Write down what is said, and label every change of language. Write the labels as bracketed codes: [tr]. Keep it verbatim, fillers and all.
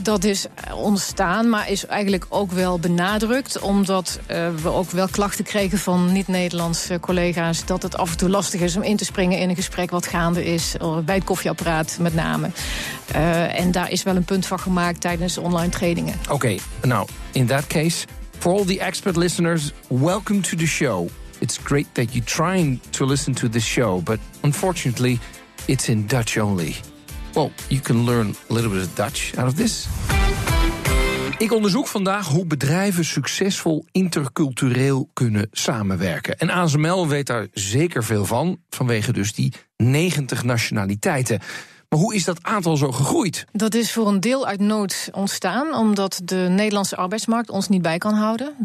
[nl] Dat is ontstaan, maar is eigenlijk ook wel benadrukt... omdat uh, we ook wel klachten kregen van niet-Nederlandse collega's... dat het af en toe lastig is om in te springen in een gesprek wat gaande is... bij het koffieapparaat met name. Uh, en daar is wel een punt van gemaakt tijdens online trainingen. [en] Oké, okay, nou, in that case, for all the expert listeners, welcome to the show. It's great that you're trying to listen to this show, but unfortunately, it's in Dutch only. Well, you can learn a little bit of Dutch out of this. [nl] Ik onderzoek vandaag hoe bedrijven succesvol intercultureel kunnen samenwerken. En A S M L weet daar zeker veel van, vanwege dus die negentig nationaliteiten. Maar hoe is dat aantal zo gegroeid? Dat is voor een deel uit nood ontstaan, omdat de Nederlandse arbeidsmarkt ons niet bij kan houden.